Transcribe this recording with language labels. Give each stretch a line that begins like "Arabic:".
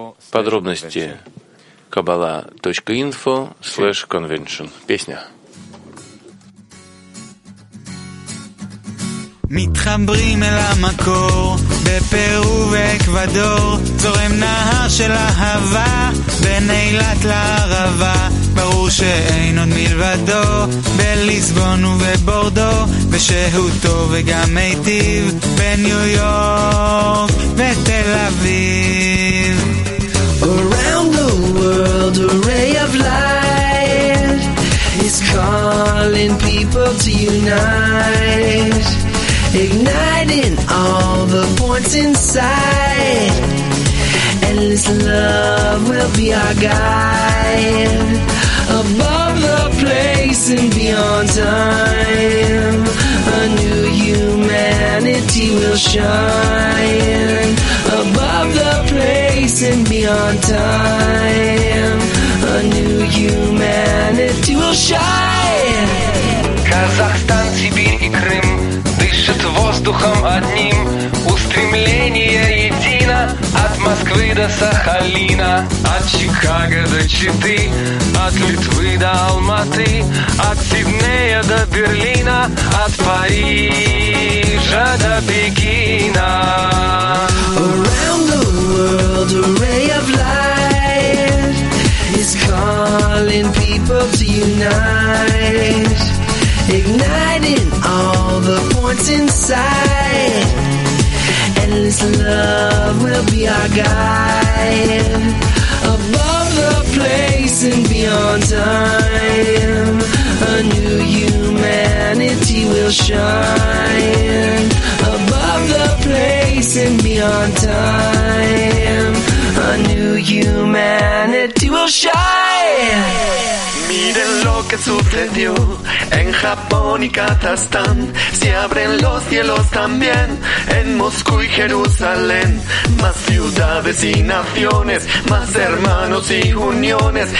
Russian: Подробности kabbala.info/convention. Песня.
Hebrew: מתחברים אל המקור בפרו ואקוודור זורם נהר של אהבה בין אילת לערבה ברור שאין עוד מלבדו בליסבון ובבורדו ושהוא טוב וגם היטיב בניו יורק ותל אביב
English: Around the world a ray of light is calling people to unite Igniting all the points inside Endless love will be our guide Above the place and beyond time A new humanity will shine above the place and beyond time. A new humanity will shine.
Russian: Казахстан, Сибирь и Крым дышат воздухом одним. Устремление едино от Москвы до Сахалина, от Чикаго до Читы, от Литвы до Алматы, от Сиднея до Берлина, от Парижа до Пекина.
English: Around the world a ray of light is calling people to unite, igniting all the points inside. Endless love will be our guide above the place and beyond time. A new humanity will shine above the place and beyond time. A new humanity will shine.
Spanish: Miren lo que sucedió en Japón y Kazajstán. Se abren los cielos también en Moscú y Jerusalén. Más ciudades y naciones, más hermanos y uniones.